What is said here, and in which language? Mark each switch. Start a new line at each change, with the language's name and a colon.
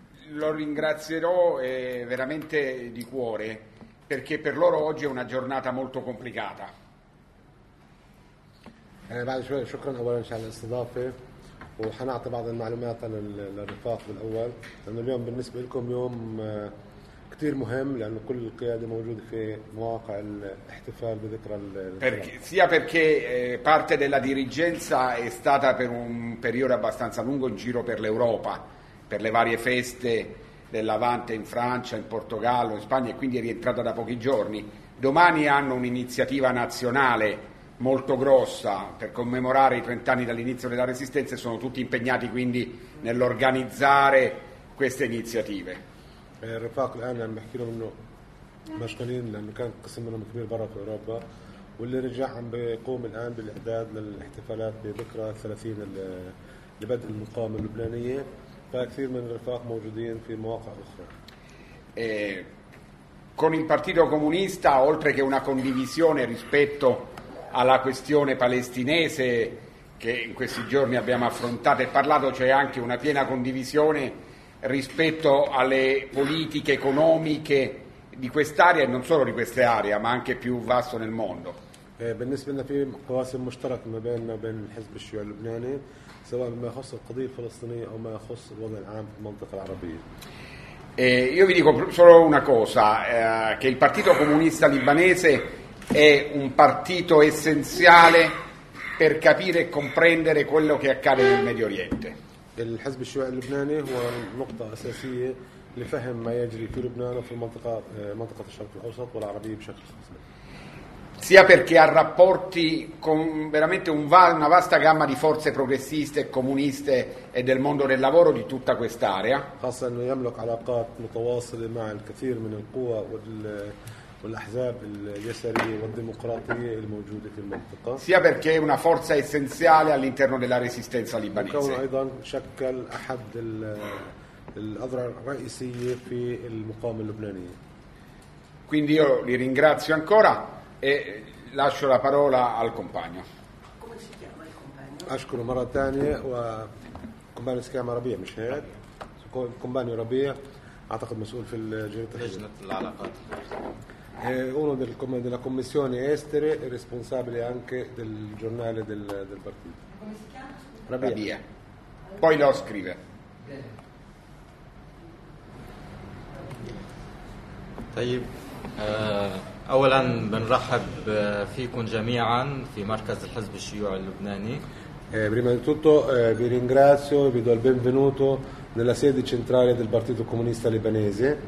Italian: Lo ringrazierò veramente di cuore, perché per loro oggi è una giornata molto complicata.
Arabic: شكراً أولاً على الاستضافة وحنعطي بعض المعلومات عن الرفاق بالأول لأنه اليوم بالنسبة لكم يوم كتير مهم لأنه كل القيادة موجودة في مواقع الاحتفال بذكرى
Italian: sia perché parte della dirigenza è stata per un periodo abbastanza lungo in giro per l'Europa per le varie feste del Levante in Francia, in Portogallo, in Spagna e quindi è rientrata da pochi giorni. Domani hanno un'iniziativa nazionale molto grossa per commemorare i 30 anni dall'inizio della resistenza e sono tutti impegnati quindi nell'organizzare queste iniziative.
Arabic: الرفاق الان عم بحكي لهم انه مشغولين لانه كان قسم منهم كبير برا في اوروبا واللي رجع عم بيقوم الان بالاعداد للاحتفالات بذكرى 30 لبدء المقاومه اللبنانيه فكثير من الرفاق موجودين في مواقع اخرى.
Italian: Con il Partito Comunista, oltre che una condivisione rispetto alla questione palestinese che in questi giorni abbiamo affrontato e parlato, c'è anche una piena condivisione rispetto alle politiche economiche di quest'area e non solo di questa area, ma anche più vasto nel mondo.
Arabic: بالنسبة لنا في قواسم مشتركة ما بيننا وبين الحزب الشيوعي اللبناني سواء ما يخص القضية الفلسطينية أو ما يخص الوضع العام في المنطقة العربية.
Italian: Io vi dico solo una cosa, che il Partito Comunista Libanese è un partito essenziale per capire e comprendere quello che accade nel Medio Oriente.
Arabic: الحزب الشيوعي اللبناني هو نقطة أساسية لفهم ما يجري في لبنان وفي منطقة الشرق الأوسط والعربية بشكل خاص.
Italian: Sia perché ha rapporti con veramente una vasta gamma di forze progressiste, comuniste e del mondo del lavoro di tutta quest'area.
Arabic: خاصة أنه يملك علاقات متواصلة مع الكثير من القوى والأحزاب اليسارية والديمقراطية الموجودة في المنطقة.
Italian: Sia perché è una forza essenziale all'interno della resistenza libanese.
Arabic: وكون أيضا شكل أحد الأذرع الرئيسية في المقاومة اللبنانية.
Italian: Quindi io li ringrazio ancora e lascio la parola al compagno. Come si chiama il compagno?
Arabic: أشكر مرة ثانية و
Italian: compagno si chiama Rabia,
Arabic: مش هيك؟
Italian: Compagno Rabia,
Arabic: أعتقد مسؤول في لجنة العلاقات.
Italian: È uno della commissione estere e responsabile anche del giornale del partito. Come si chiama? Rabia. Rabia. Poi lo scrive.
Arabic: طيب اولا بنرحب فيكم جميعا في مركز الحزب الشيوعي اللبناني.
Italian: Prima di tutto vi ringrazio e vi do il benvenuto nella sede centrale del Partito Comunista Libanese.